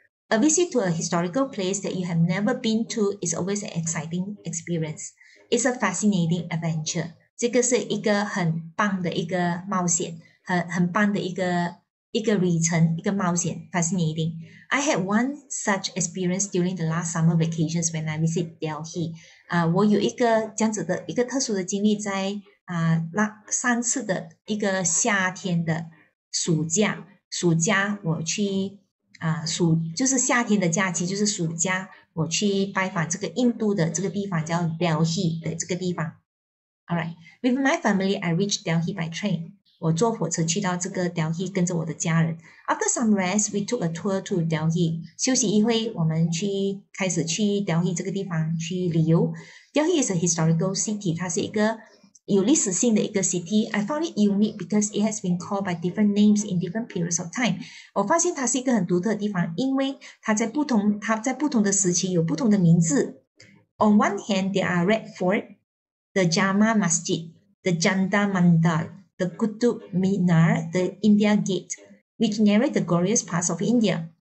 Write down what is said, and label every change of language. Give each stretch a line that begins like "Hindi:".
English: A visit to a historical place that you have never been to is always an exciting experience. It's a fascinating adventure.
Chinese: 这个是一个很棒的一个冒险，很棒的一个旅程，一个冒险,
English: fascinating. I had one such experience during the last summer vacations when I visit Delhi.
Chinese: 我有一个这样子的一个特殊的经历在 三次的一个夏天的暑假，我去就是夏天的假期，就是暑假我去拜访这个印度的这个地方叫 Delhi 的这个地方。
English: Alright, with my family, I reached Delhi by train.
Chinese: 我坐火车去到这个 Delhi 跟着我的家人。
English: After some rest, we took a tour to Delhi.
Chinese: 休息一会，我们去开始去 Delhi 这个地方去旅游。
English: Delhi is a historical city.
Chinese: 它是一个 有历史性的一个
English: city, I found it unique because it has been called by different names in different periods of time.
Chinese: 我发现它是一个很独特的地方，因为它在不同的时期有不同的名字.
English: On one hand, there are Red Fort, the Jama Masjid, the Janda Mandal, the Qutub Minar, the India Gate, which narrate the glorious past of India.